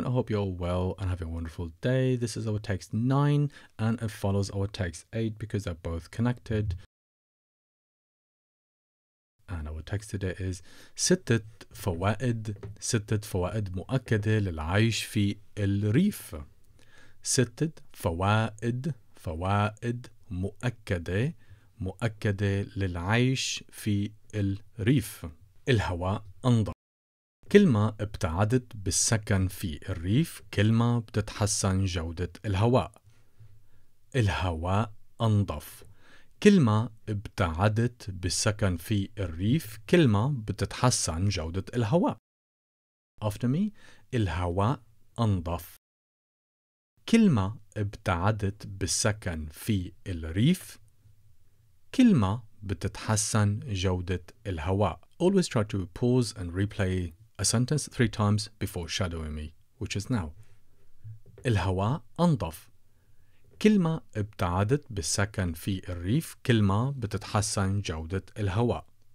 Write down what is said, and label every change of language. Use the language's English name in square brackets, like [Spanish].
[English] I hope you're well and having a wonderful day. This is our text 9 and it follows our text 8 because they're both connected. And our text today is [Arabic] ستة فوائد مؤكدة للعيش في الريف. ستة فوائد مؤكدة للعيش في الريف. الهواء أنضف. كل ما ابتعدت بالسكن في الريف كل ما بتتحسن جودة الهواء. الهواء أنظف. كل ما ابتعدت بالسكن في الريف كل ما بتتحسن جودة الهواء. [English] After me. [Arabic] الهواء أنظف. كل ما ابتعدت بالسكن في الريف كل ما بتتحسن جودة الهواء. [English] Always try to pause and replay a sentence 3 times before shadowing me, which is now. [Arabic] الهواء أنظف. كل ما ابتعدت بالسكن في الريف كل ما بتتحسن جودة الهواء.